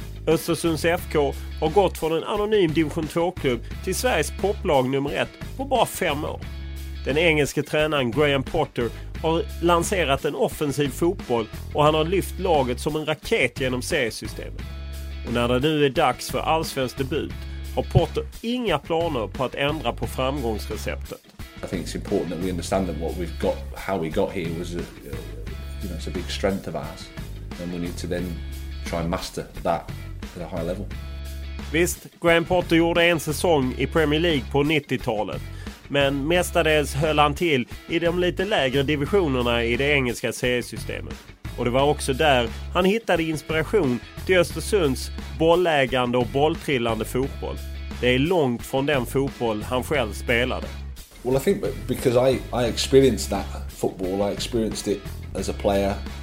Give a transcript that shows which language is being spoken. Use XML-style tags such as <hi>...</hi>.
<sv>Östersunds FK har gått från en anonym Division 2-klubb till Sveriges poplag nummer 1 på bara 5 år. Den engelske tränaren Graham Potter har lanserat en offensiv fotboll och han har lyft laget som en raket genom seriesystemet. Och när det nu är dags för allsvensk debut har Potter inga planer på att ändra på framgångsreceptet.</sv> <en>I think it's important that we understand that what we've got, how we got here was a, you know, it's a big strength of ours, and we need to then try and master that at a high level.</en> <sv>Visst, Graham Potter gjorde en säsong i Premier League på 90-talet. Men mestadels höll han till i de lite lägre divisionerna i det engelska seriesystemet. Och det var också där han hittade inspiration till Östersunds bollägande och bolltrillande fotboll. Det är långt från den fotboll han själv spelade.</sv> <en>Well, I think because I experienced that football, I experienced it as a player.</en>